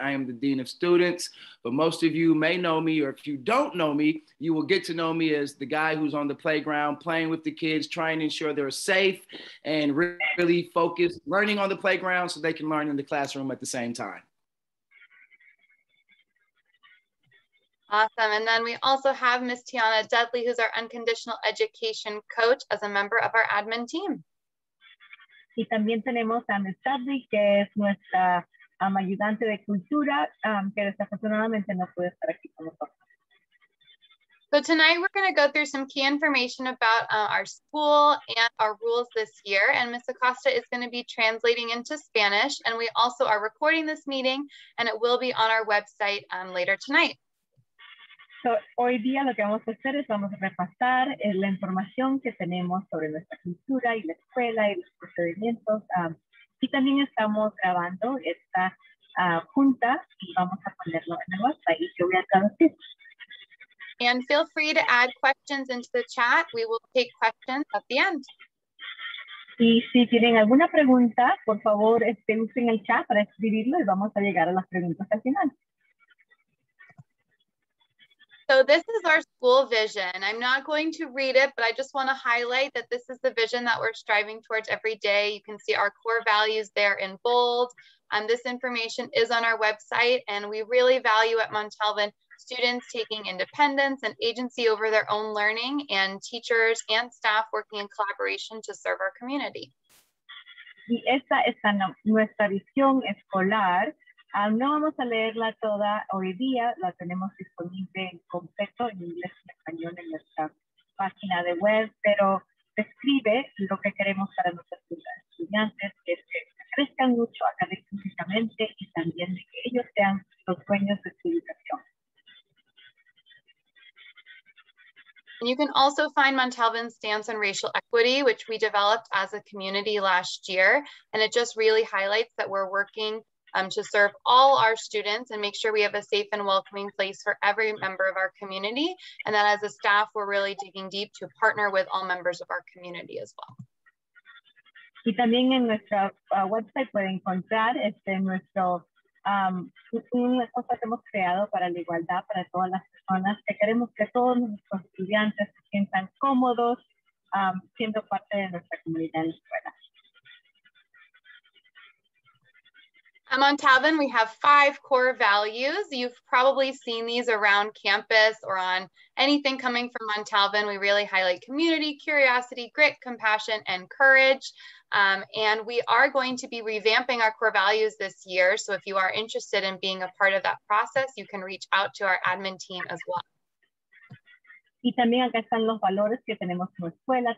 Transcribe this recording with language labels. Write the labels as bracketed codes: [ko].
[en] I am the Dean of Students, but most of you may know me, or if you don't know me, you will get to know me as the guy who's on the playground playing with the kids, trying to ensure they're safe and really focused learning on the playground so they can learn in the classroom at the same time. Awesome. And then we also have Ms. Tiana Dudley, who's our unconditional education coach, as a member of our admin team. [es] Y también tenemos a Ms. Dudley, que es nuestra ayudante de cultura, que desafortunadamente no puede estar aquí con nosotros. [en] So tonight we're going to go through some key information about our school and our rules this year. And Ms. Acosta is going to be translating into Spanish. And we also are recording this meeting, and it will be on our website later tonight. [es] So, hoy día lo que vamos a hacer es vamos a repasar la información que tenemos sobre nuestra cultura y la escuela y los procedimientos. Y también estamos grabando esta junta y vamos a ponerlo en el WhatsApp y yo voy a traducir. [en] And feel free to add questions into the chat. We will take questions at the end. [es] Y si tienen alguna pregunta, por favor, usen el chat para escribirlo y vamos a llegar a las preguntas al final. [en] So this is our school vision. I'm not going to read it, but I just want to highlight that this is the vision that we're striving towards every day. You can see our core values there in bold. This information is on our website, and we really value at Montalvin students taking independence and agency over their own learning, and teachers and staff working in collaboration to serve our community. [es] Y esta es nuestra visión escolar. No vamos a leerla toda hoy día, la tenemos disponible en completo en inglés y español en nuestra página de web, pero describe lo que queremos para nuestros estudiantes, que es que crezcan mucho académicamente y también de que ellos sean los dueños de su educación. [en] And you can also find Montalvin's stance on racial equity, which we developed as a community last year, and it just really highlights that we're working to serve all our students and make sure we have a safe and welcoming place for every member of our community. And that as a staff, we're really digging deep to partner with all members of our community as well. [es] Y también en nuestra website pueden encontrar nuestro, una cosa que hemos creado para la igualdad para todas las personas, que queremos que todos nuestros estudiantes se sientan cómodos siendo parte de nuestra comunidad en la escuela. [en] At Montalvin, we have 5 core values. You've probably seen these around campus or on anything coming from Montalvin. We really highlight community, curiosity, grit, compassion, and courage. And we are going to be revamping our core values this year. So if you are interested in being a part of that process, you can reach out to our admin team as well. [es] Y también acá están los valores que tenemos como escuela.